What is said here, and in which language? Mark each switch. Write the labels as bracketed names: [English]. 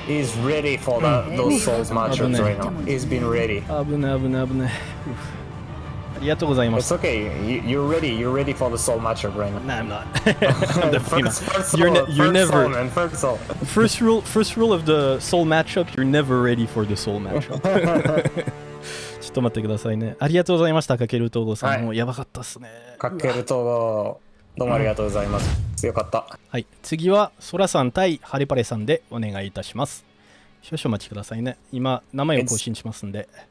[English] He's ready for those Souls matchups right now. He's been ready. [Japanese] あぶね。ありがとうございます。 [English] It's okay. You're ready. You're ready for the Soul matchup right now. Nah, I'm not. I'm definitely not. First rule of the Soul matchup, you're never ready for the Soul matchup. [Japanese] ちょっと待ってくださいね。ありがとうございました、かけるとごさん。もうやばかったっすね。かけるとご。どうもありがとうございます。強かった。はい。次は、そらさん対ハレパレさんでお願いいたします。少々お待ちくださいね。今、名前を更新しますんで。